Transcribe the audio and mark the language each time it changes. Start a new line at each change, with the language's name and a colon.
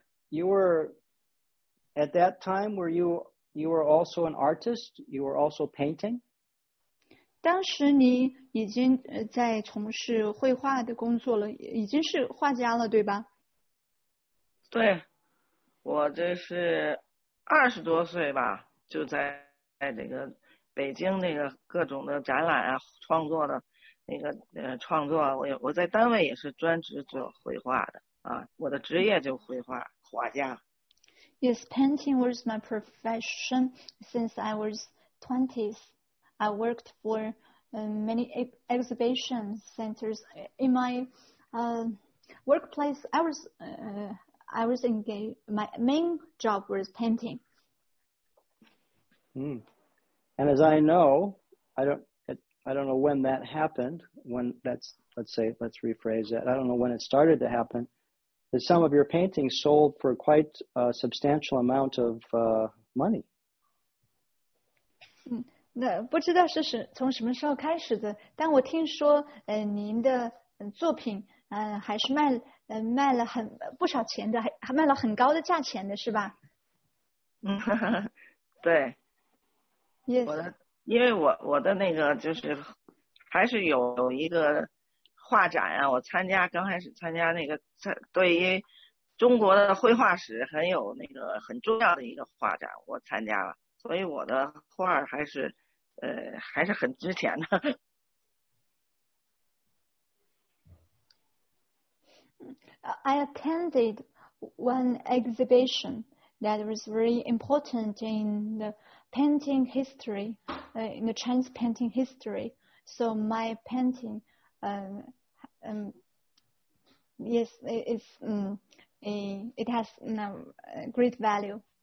English: You were, at that time, were you were also an artist? You were also painting?
Chinese: 当时你已经在从事绘画的工作了，已经是画家了，对吧？对，我这是20多岁吧，就在这个北京那个各种的展览啊，创作的那个创作，我在单位也是专职做绘画的。我的职业就绘画，画家。
English: Yes, painting was my profession since I was 20s. I worked for many exhibition centers. In my workplace, I was engaged. My main job was painting. And as I know, I don't know when that happened. Let's rephrase that. I don't know when it started to happen. That some of your paintings sold for quite a substantial amount of money.
Chinese: 那不知道是从什么时候开始的，但我听说，您的作品，还是卖了很不少钱的，还卖了很高的价钱的，是吧？嗯，对。
English: Yes.
Chinese: 因为我的那个就是还是有一个。画展啊，我参加刚开始参加那个，对于中国的绘画史很有那个很重要的一个画展，我参加了，所以我的画还是很值钱的。
English: I attended one exhibition that was very important in the painting history, in the Chinese painting history. So my painting, yes, it's, it has great value.